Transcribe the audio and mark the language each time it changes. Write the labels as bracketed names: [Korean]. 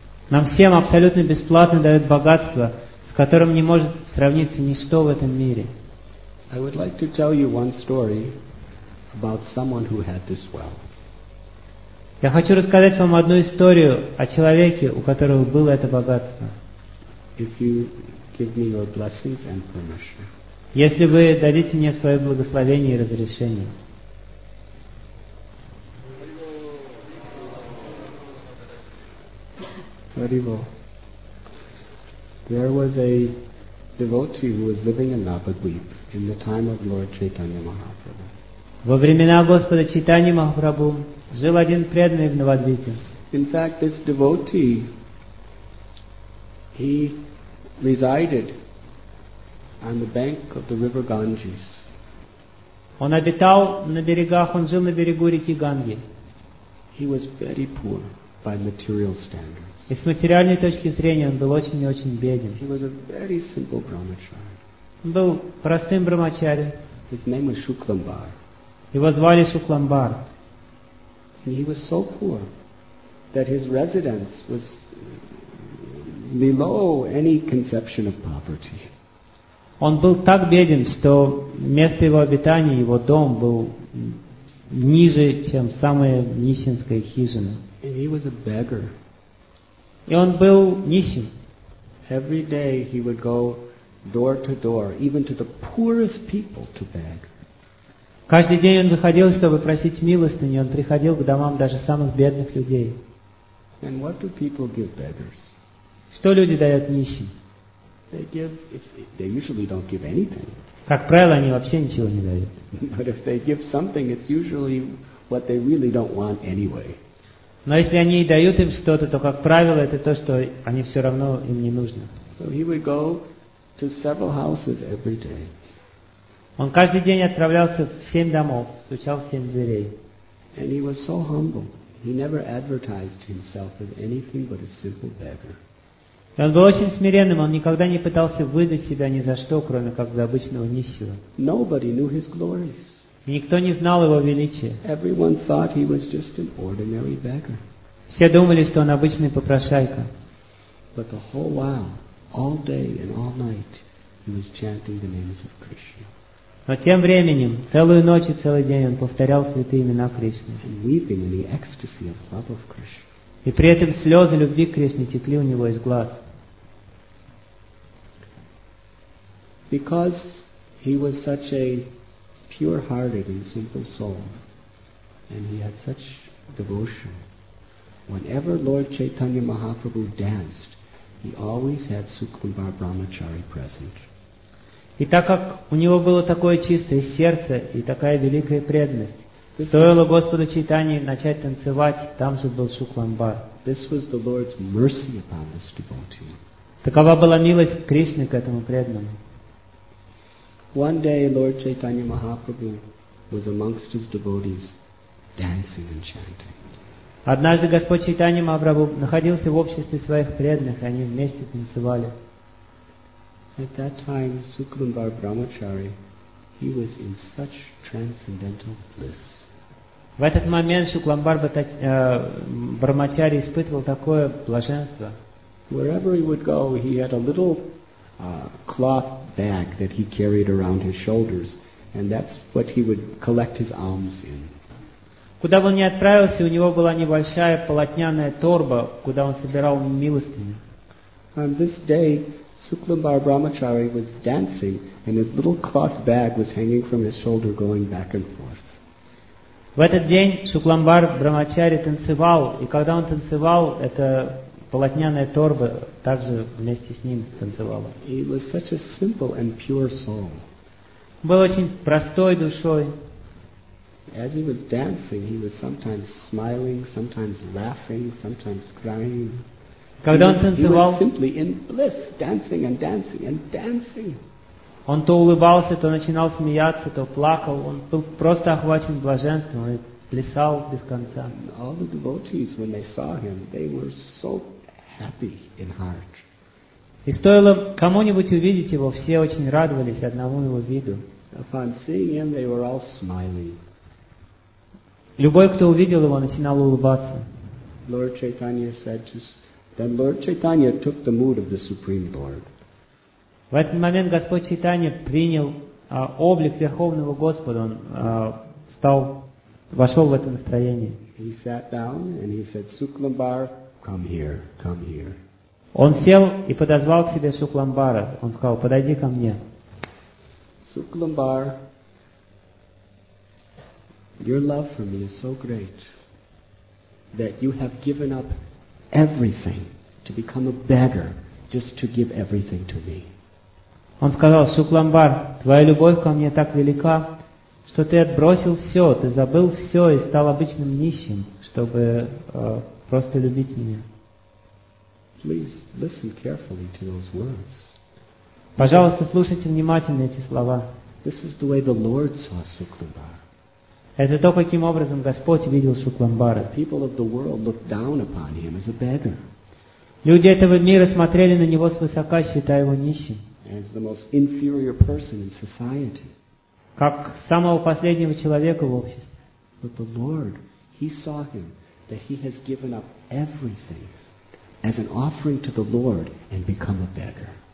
[Russian] Нам всем абсолютно бесплатно дают богатство, с которым не может сравниться ничто в этом мире. [English] I would like to tell you one story about someone who had this wealth. [Russian] Я хочу рассказать вам одну историю о человеке, у которого было это богатство. [English] If you give me your blessings and permission. [Russian] Если вы дадите мне свое благословение и разрешение. Haribo. [English] There was a devotee who was living in Navadvip in the time of Lord Chaitanya Mahaprabhu. [Russian] Во времена Господа Чайтаньи Махапрабху жил один преданный в Навадвипе. [English] In fact, this devotee, he resided on the bank of the river Ganges. [Russian] Он обитал на берегах, он жил на берегу реки Ганги. [English] He was very poor by material standards. [Russian] И с материальной точки зрения он был очень и очень беден. [English] He was a very simple brahmachari. [Russian] Он был простым брахмачари. [English] His name was Shuklambar. [Russian] Его звали Шукламбар. [English] And he was so poor that his residence was below any conception of poverty. [Russian] Он был так беден, что место его обитания, его дом был ниже, чем самая нищенская хижина. [English] And he was a beggar. [Russian] И он был нищим. [English] Every day he would go door to door, even to the poorest people, to beg. [Russian] Каждый день он выходил, чтобы просить милостыни, он приходил к домам даже самых бедных людей. [English] And what do people give beggars? [Russian] Что люди дают нищим? [English] They give, they usually don't give anything. [Russian] Как правило, они вообще ничего не дают. [English] But if they give something, it's usually what they really don't want anyway. [Russian] Но если они и дают им что-то, то, как правило, это то, что они все равно им не нужно. [English] So he would go to several houses every day. [Russian] Он каждый день отправлялся в семь домов, стучал в семь дверей. [English] And he was so humble. He never advertised himself as anything but a simple beggar. [Russian] И он был очень смиренным, он никогда не пытался выдать себя ни за что, кроме как за обычного нищего. [English] Nobody knew his glories. [Russian] Никто не знал его величия. [English] Everyone thought he was just an ordinary beggar. [Russian] Все думали, что он обычный попрошайка. [English] But the whole while, all day and all night, he was chanting the names of Krishna. [Russian] Но тем временем, целую ночь и целый день он повторял святые имена Кришны. [English] And weeping in the ecstasy of love of Krishna. [Russian] И при этом слезы любви к Кришне текли у него из глаз. [English] Because he was such a pure-hearted and simple soul, and he had such devotion. Whenever Lord Chaitanya Mahaprabhu danced, he always had Shuklambar Brahmachari present. [Russian] И так как у него было такое чистое сердце и такая великая преданность, стоило Господу Чайтанье начать танцевать, там же был Шукламбар. [English] This was the Lord's mercy upon this devotee. [Russian] Такова была милость Кришны к этому преданному. [English] One day, Lord Chaitanya Mahaprabhu was amongst his devotees dancing and chanting. [Russian] Однажды Господь Чайтанья Махапрабху находился в обществе своих преданных, и они вместе танцевали. [English] At that time, Shuklambar Brahmachari, he was in such transcendental bliss. [Russian] В этот момент Шукламбар Брахмачари испытывал такое блаженство. [English] Wherever he would go, he had a little cloth bag that he carried around his shoulders, and that's what he would collect his alms in. [Russian] Куда бы он ни отправился, у него была небольшая полотняная торба, куда он собирал милостыню. [English] On this day, Shuklambar Brahmachari was dancing, and his little cloth bag was hanging from his shoulder, going back and forth. [Russian] В этот день Шукламбар Брахмачари танцевал, и когда он танцевал, это полотняная торба также вместе с ним танцевала. [English] He was such a simple and pure soul. [Russian] Был очень простой душой. [English] As he was dancing, he was sometimes smiling, sometimes laughing, sometimes crying. [Russian] Когда он танцевал, [English] he was simply in bliss, dancing and dancing and dancing. [Russian] Он то улыбался, то начинал смеяться, то плакал. Он был просто охвачен блаженством и плясал без конца. [English] All the devotees, when they saw him, they were so happy in heart. [Russian] И стоило кому-нибудь увидеть его, все очень радовались одному его виду. [English] Upon seeing him, they were all smiling. [Russian] Любой, кто увидел его, начинал улыбаться. [English] Lord Chaitanya said, then Lord Chaitanya took the mood of the Supreme Lord. [Russian] В этот момент Господь Чайтанья принял облик Верховного Господа. Он вошел в это настроение. [English] He sat down and he said, Sukhlambar, come here, come here. [Russian] Он сел и подозвал к себе Сукламбара. Он сказал, подойди ко мне. [English] Sukhlambar, your love for me is so great that you have given up everything to become a beggar just to give everything to me. [Russian] Он сказал, Сукламбар, твоя любовь ко мне так велика, что ты отбросил все, ты забыл все и стал обычным нищим, чтобы просто любить меня. [English] Please listen carefully to those words. [Russian] Пожалуйста, слушайте внимательно эти слова. [English] This is the way the Lord saw Sukhlambar. [Russian] Это то, каким образом Господь видел Сукламбара. [English] The people of the world looked down upon him as a beggar. [Russian] Люди этого мира смотрели на него свысока, считая его нищим. [English] As the most inferior person in society. [Russian] Как самого последнего человека в обществе. [English] But the Lord, he saw him that he has given up everything as an offering to the Lord and become a beggar.